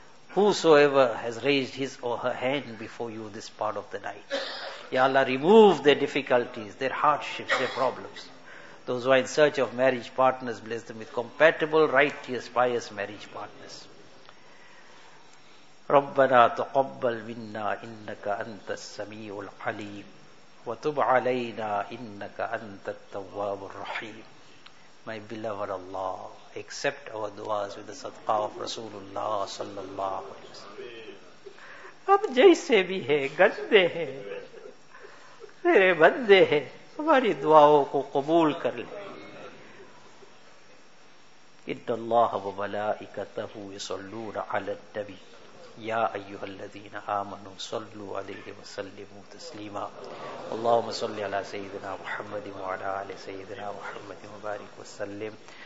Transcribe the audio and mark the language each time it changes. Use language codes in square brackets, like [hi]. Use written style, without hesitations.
[en] Whosoever has raised his or her hand before you this part of the night. Ya Allah, remove their difficulties, their hardships, their problems. Those who are in search of marriage partners, bless them with compatible, righteous, pious marriage partners. [ar] ربنا تقبل منا إنك أنت السميع العليم وتب علينا إنك أنت التواب الرحيم. [en] My beloved Allah, accept our du'as with the sadqa of Rasulullah sallallahu alaihi wasallam. [hi] अब जैसे भी है गंदे हैं तेरे बंदे हैं हमारी दुआओं को कबूल कर ले. [ar] إن الله وملائكته يصلون على النبي يا أيها الذين آمنوا صلوا عليه وسلموا تسليما. اللهم صل على سيدنا محمد وعلى آل سيدنا محمد وبارك وسلم.